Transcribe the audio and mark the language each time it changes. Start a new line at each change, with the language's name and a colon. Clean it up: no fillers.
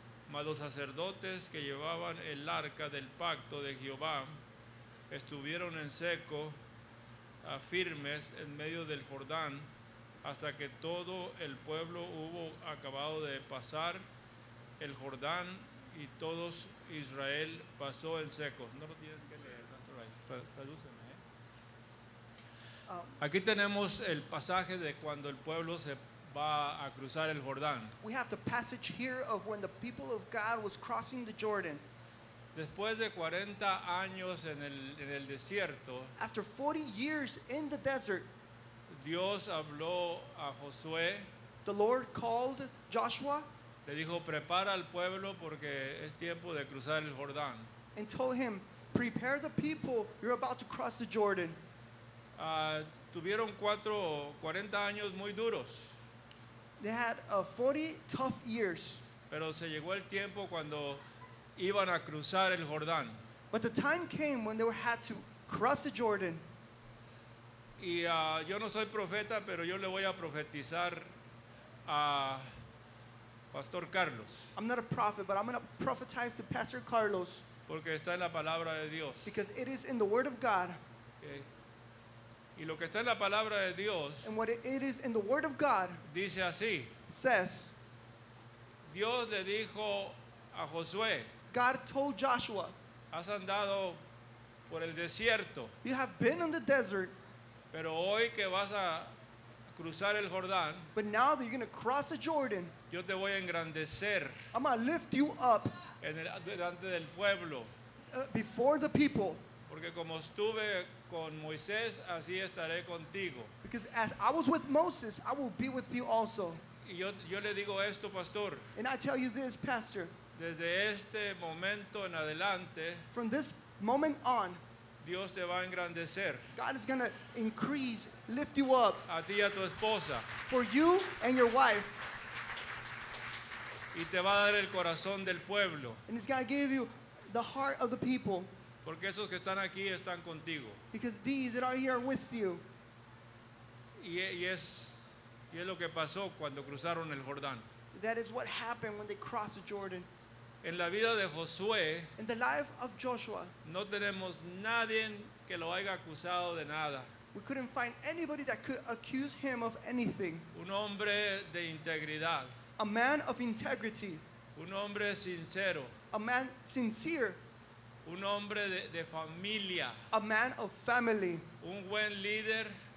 Spanish: Mas los sacerdotes que llevaban el arca del pacto de Jehová estuvieron en seco, firmes en medio del Jordán, hasta que todo el pueblo hubo acabado de pasar el Jordán, y todo Israel pasó en seco. No lo tienes que leer,
English: that's right.
Spanish: Tradúceme. Aquí tenemos el pasaje de cuando el pueblo se va a cruzar el Jordán.
English: We have the passage here of when the people of God was crossing the Jordan.
Spanish: Después de 40 años en el desierto,
English: after 40 years in the desert,
Spanish: Dios habló a Josué.
English: The Lord called Joshua.
Spanish: Le dijo, prepara al pueblo porque es tiempo de cruzar el Jordán.
English: And told him, prepare the people, you're about to cross the Jordan.
Spanish: Tuvieron 40 años muy duros.
English: They had 40 tough years.
Spanish: Pero se llegó el tiempo cuando iban a cruzar el Jordán.
English: But the time came when they had to cross the Jordan.
Spanish: Y yo no soy profeta, pero yo le voy a profetizar a Pastor Carlos.
English: I'm not a prophet, but I'm going to prophesize to Pastor Carlos.
Spanish: Porque está en la palabra de Dios.
English: Because it is in the Word of God. Okay.
Spanish: Y lo que está en la palabra de Dios,
English: and what it is in the Word of God,
Spanish: dice así,
English: says,
Spanish: Dios le dijo a Josué,
English: God told Joshua,
Spanish: has andado por el desierto,
English: you have been in the desert,
Spanish: pero hoy que vas a cruzar el Jordán,
English: but now that you're going to cross the Jordan,
Spanish: yo te voy a engrandecer,
English: I'm going to lift you up,
Spanish: delante del pueblo,
English: before the people.
Spanish: Porque como estuve con Moisés, así estaré contigo.
English: Because as I was with Moses, I will be with you also.
Spanish: Y yo le digo esto, pastor.
English: And I tell you this, pastor.
Spanish: Desde este momento en adelante,
English: from this moment on,
Spanish: Dios te va a engrandecer.
English: God is going to increase, lift you up.
Spanish: A ti y a tu esposa.
English: For you and your wife.
Spanish: Y te va a dar el corazón del pueblo.
English: And he's going to give you the heart of the people.
Spanish: Porque esos que están aquí están contigo.
English: Because these that are here are with you.
Spanish: Y es lo que pasó cuando cruzaron el Jordán.
English: That is what happened when they crossed the Jordan.
Spanish: En la vida de Josué,
English: in the life of Joshua,
Spanish: no tenemos nadie que lo haya acusado de nada.
English: We couldn't find anybody that could accuse him of anything.
Spanish: Un hombre de integridad.
English: A man of integrity.
Spanish: Un hombre sincero.
English: A man sincere.
Spanish: Un hombre de familia.
English: A man of family.
Spanish: Un buen líder.